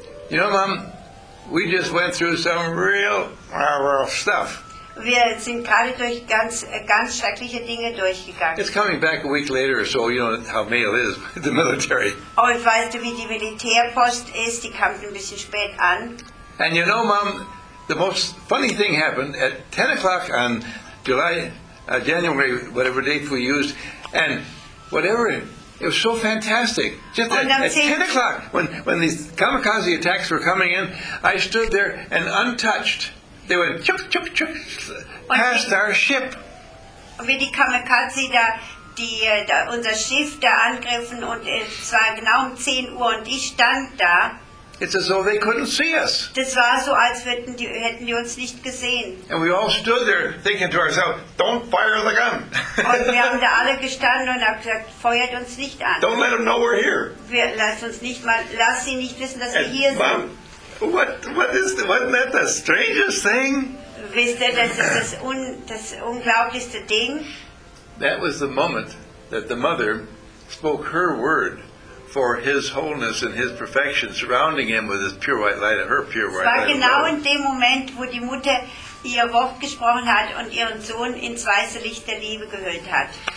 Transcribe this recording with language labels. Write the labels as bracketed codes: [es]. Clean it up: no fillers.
[en] You know, Mom, we just went through some real stuff. [de] Wir sind gerade durch ganz schreckliche Dinge durchgegangen. [en] It's coming back a week later, so you know how mail is with the military. [de] Oh, ich weiß, wie die Militärpost ist. Die kam ein bisschen spät an. [en] And you know, Mom, the most funny thing happened at 10 o'clock on July, January, whatever date we used, and whatever. It was so fantastic. Just at 10 o'clock, when these kamikaze attacks were coming in, I stood there and untouched. They went chuk chuk chuk past our ship. [de] Wie die Kamikaze da unser Schiff da angriffen und es war genau um 10 Uhr und ich stand da. [en] It's as though they couldn't see us. [de] Das war so, als hätten die uns nicht gesehen. [en] And we all stood there thinking to ourselves, don't fire the gun. [de] Und wir haben da alle gestanden und haben gesagt, feuert uns nicht an. [en] Don't let them know we're here. [de] Lass sie nicht wissen, dass wir hier sind. [en] Mom, wasn't that the strangest thing? [de] Wisst ihr, das ist das unglaublichste Ding. [en] That was the moment that the mother spoke her word for his wholeness and his perfection, surrounding him with his pure white light and her pure white light. [de] War genau in dem Moment, wo die Mutter ihr Wort gesprochen hat und ihren Sohn ins weiße Licht der Liebe gehüllt hat.